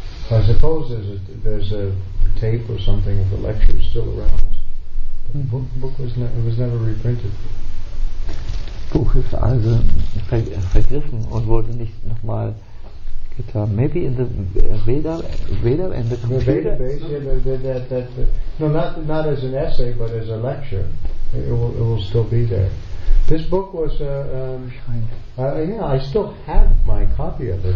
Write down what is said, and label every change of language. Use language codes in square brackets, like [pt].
[en] I suppose there's a tape or something of the lecture still around. The book was never reprinted. [de] Buch ist also vergriffen und wurde nicht nochmal getan. [en] Maybe in the Veda and the computer. The database, yeah, not as an essay, but as a lecture. It will still be there. This book was I still have my copy of it.